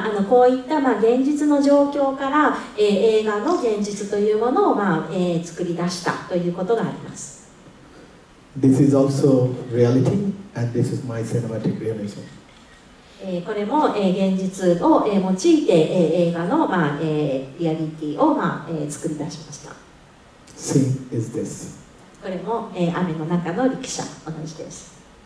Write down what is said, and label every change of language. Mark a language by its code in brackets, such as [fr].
[ja] こういった、現実の状況から、映画の現実というものを、作り出したということがあります。 [en] This is also reality, and this is my cinematic realism. [ja] これも現実を用いて映画のリアリティを作り出しました。 [en] Same is this. [ja] これも雨の中の力車、同じです。